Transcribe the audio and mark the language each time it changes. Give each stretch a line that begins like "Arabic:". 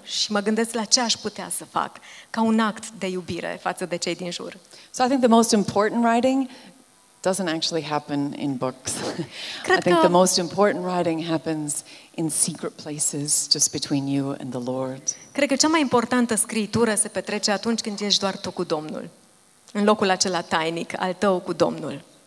Romanian: Și mă gândesc la ce aș putea să fac ca un act de iubire față de cei din jur.
English: So I think the most important writing doesn't actually happen in books.
Romanian: Cred
English: I think the most important writing happens in secret places just between you and the Lord.
Romanian: Cred că cea mai importantă scriitură se petrece atunci când ești doar tu cu Domnul. În locul acela tainic al tău cu Domnul.